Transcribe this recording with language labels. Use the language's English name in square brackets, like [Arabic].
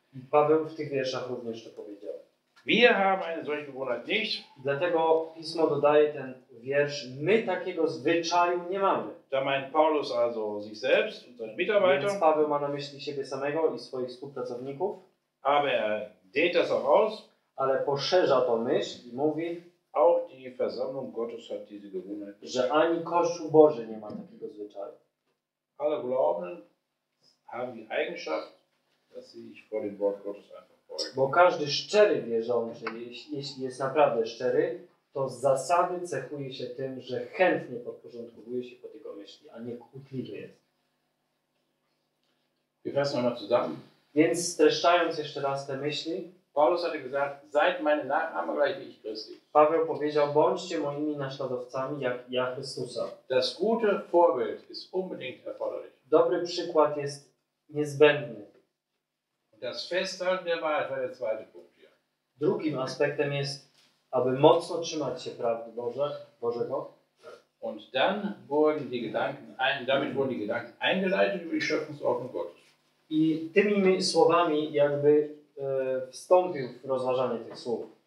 [Polish] Paweł w tych wierszach również to powiedział. [German] Wir haben eine solche Gewohnheit nicht. [Polish] Dlatego Pismo dodaje ten wiersz. My takiego zwyczaju nie mamy. [German] Da meint Paulus also sich selbst und seine Mitarbeiter. [Polish] Więc Paweł ma na myśli siebie samego i swoich współpracowników. [German] Aber er dehnt das auch aus. [Polish] Ale poszerza to myśl i mówi, [German] auch die Versammlung Gottes hat diese Gewohnheit, [Polish] że ani Kościół Boży nie ma takiego zwyczaju. [German] Alle Glaubenden haben die Eigenschaft, dass sie sich vor dem Wort Gottes einfach beugen. [Polish] Bo każdy szczery wierzący, jeśli jest naprawdę szczery, to z zasady cechuje się tym, że chętnie podporządkowuje się pod jego myśli, a nie kłótliwy jest. [German] Wir fassen nochmal zusammen. [Polish] Więc streszczając jeszcze raz te myśli, [German] Paulus hatte gesagt, seid meine Nachahmer gleich wie ich Christi. [Polish] Paweł powiedział, bądźcie moimi naśladowcami jak ja Chrystusa. [German] Das gute Vorbild ist unbedingt erforderlich. [Polish] Dobry przykład jest niezbędny. [German] Das Festhalten der Wahrheit war der zweite Punkt hier. [Polish] Drugim aspektem jest, aby mocno trzymać się prawdy Bożego. [German] Und dann wurden die Gedanken ein, damit wurden die Gedanken eingeleitet über die Schöpfungsordnung Gottes. [Polish] I tymi słowami jakby wstąpił w rozważanie tych słów.